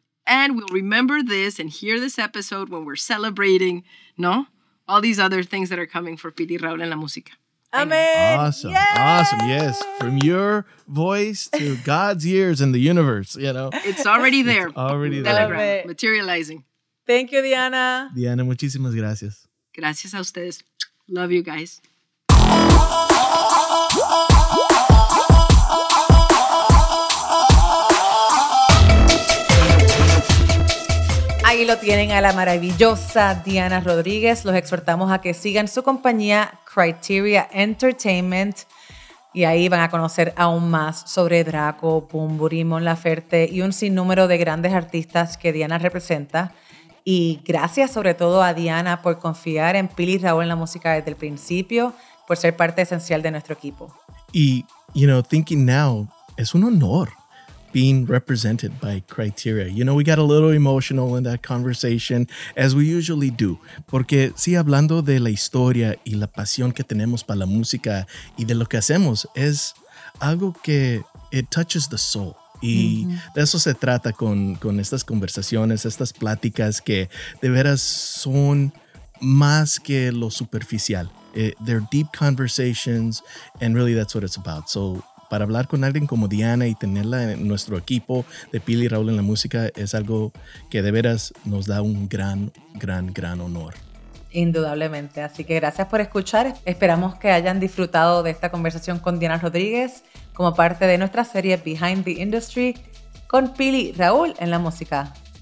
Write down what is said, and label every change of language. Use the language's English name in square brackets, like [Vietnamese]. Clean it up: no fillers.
[English] And we'll remember this and hear this episode when we're celebrating, ¿no? All these other things that are coming for Pili Raul en la Música. Amen. Awesome. Yay! Awesome. Yes. From your voice to God's ears in the universe, you know? It's already there. It's already there. Telegram, materializing. Thank you, Diana. [Spanish] Diana, muchísimas gracias. Gracias a ustedes. [English] Love you guys. [Spanish] a la maravillosa Diana Rodríguez. Los exhortamos a que sigan su compañía Criteria Entertainment y ahí van a conocer aún más sobre Draco, Bunbury, Mon Laferte y un sinnúmero de grandes artistas que Diana representa. Y gracias sobre todo a Diana por confiar en Pili y Raúl en la música desde el principio, por ser parte esencial de nuestro equipo. [English] Y, you know, thinking now, [Spanish] es un honor [English] being represented by Criteria. You know, we got a little emotional in that conversation, as we usually do. [Spanish] Porque sí, hablando de la historia y la pasión que tenemos para la música y de lo que hacemos, es algo que [English] it touches the soul. [Spanish] Y de eso se trata con estas conversaciones, estas pláticas que de veras son más que lo superficial. [English] They're deep conversations, and really that's what it's about. [Spanish] So, para hablar con alguien como Diana y tenerla en nuestro equipo de Pili y Raúl en la música es algo que de veras nos da un gran, gran, gran honor. Indudablemente. Así que gracias por escuchar. Esperamos que hayan disfrutado de esta conversación con Diana Rodríguez como parte de nuestra serie Behind the Industry con Pili y Raúl en la música.